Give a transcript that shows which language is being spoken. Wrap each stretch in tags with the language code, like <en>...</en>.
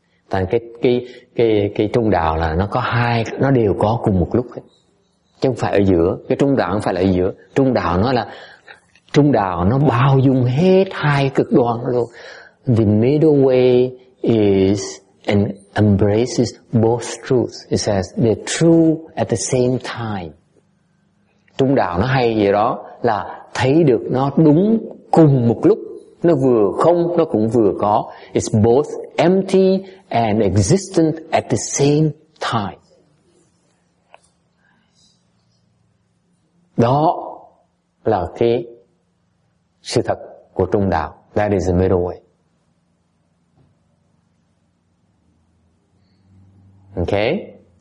<vi>Tại cái trung đạo là nó có hai, nó đều có cùng một lúc ấy. Chứ không phải ở giữa, cái trung đạo không phải là ở giữa. Trung đạo nó là, trung đạo nó bao dung hết hai cực đoan luôn.</vi> <en>The middle way is and embraces both truths. It says the true at the same time.</en> <vi>Trung đạo nó hay gì đó là thấy được nó đúng cùng một lúc. Nó vừa không, nó cũng vừa có.</vi> <en>It's both empty and existent at the same time.</en> <vi>Đó là cái sự thật của trung đạo.</vi> <en>That is the middle way. Okay?</en>